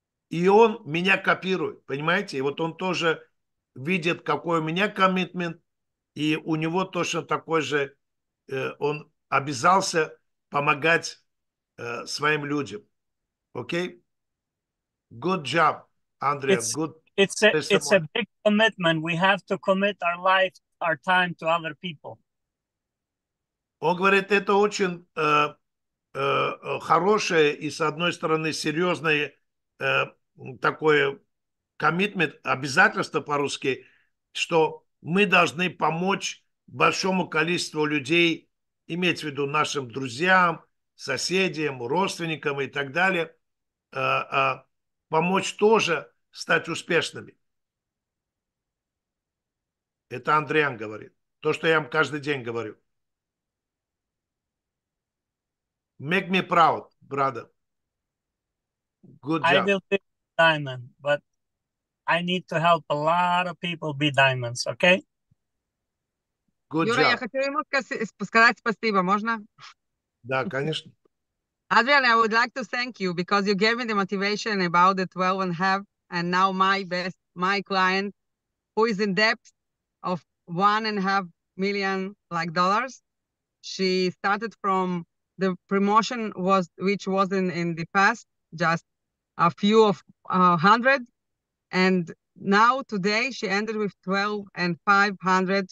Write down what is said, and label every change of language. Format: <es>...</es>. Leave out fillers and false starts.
<ru>И он меня копирует, понимаете? И вот он тоже видит, какой у меня коммитмент, и у него точно такой же, он обязался помогать своим людям. Окей? Okay?</ru> <en>Good job, Андрей. Good job. It's a big commitment. We have to commit our life, our time to other people.</en> <ru>Он говорит, это очень хорошее и, с одной стороны, серьезное такое commitment, обязательство по-русски, что мы должны помочь большому количеству людей, иметь в виду нашим друзьям, соседям, родственникам и так далее, помочь тоже стать успешными. Это Андриан говорит. То, что я вам каждый день говорю.</ru> <en>Make me proud, brother. Good job. I will be diamond, but I need to help a lot of people be diamonds, okay? Good Юра, job.</en> <ru>Я хотел ему сказать спасибо, можно? Да, конечно.</ru> <en>Адриан, I would like to thank you because you gave me the motivation about the 12 and half. And now my client, who is in debt of $1.5 million, like dollars, she started from the promotion was which was in the past just a few of hundred, and now today she ended with 12,500.</en>